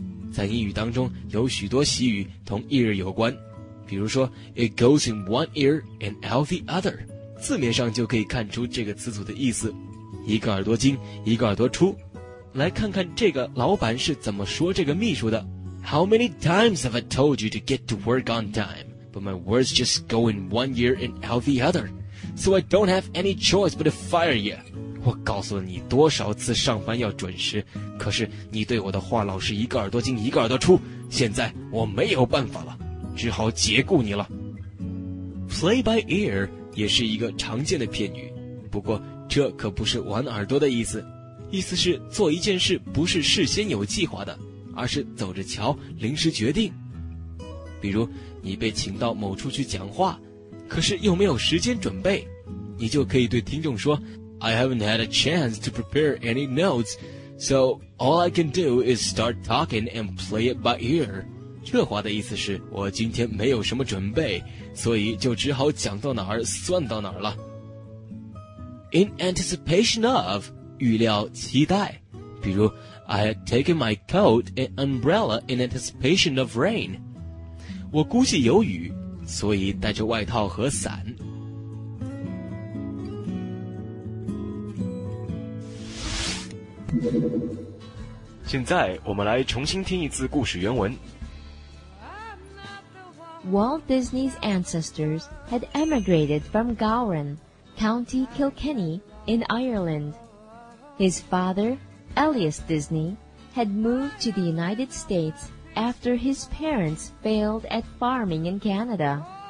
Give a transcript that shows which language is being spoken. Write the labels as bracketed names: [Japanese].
[Chinese] 在英语当中有许多习语同 ear 有关，比如说 [English] it goes in one ear and out the other， [Chinese] 字面上就可以看出这个词组的意思，一个耳朵进一个耳朵出。来看看这个老板是怎么说这个秘书的。 [English] How many times have I told you to get to work on time? But my words just go in one ear and out the other. So I don't have any choice but to fire you. [Chinese] 我告诉了你多少次上班要准时，可是你对我的话老是一个耳朵进一个耳朵出，现在我没有办法了，只好解雇你了。 [English] Play by ear [Chinese] 也是一个常见的片语，不过这可不是玩耳朵的意思，意思是做一件事不是事先有计划的，而是走着瞧，临时决定。比如你被请到某处去讲话，可是又没有时间准备，你就可以对听众说 [English] I haven't had a chance to prepare any notes, so all I can do is start talking and play it by ear. [Chinese] 这话的意思是我今天没有什么准备，所以就只好讲到哪儿算到哪儿了。 [English] In anticipation of [Chinese] 预料期待，比如 [English] I had taken my coat and umbrella in anticipation of rain. [Chinese] 我估计有雨，所以带着外套和伞。现在我们来重新听一次故事原文。 [English] Walt Disney's ancestors had emigrated from Gowran, County Kilkenny in Ireland. His father, Elias Disney, had moved to the United States after his parents failed at farming in Canada.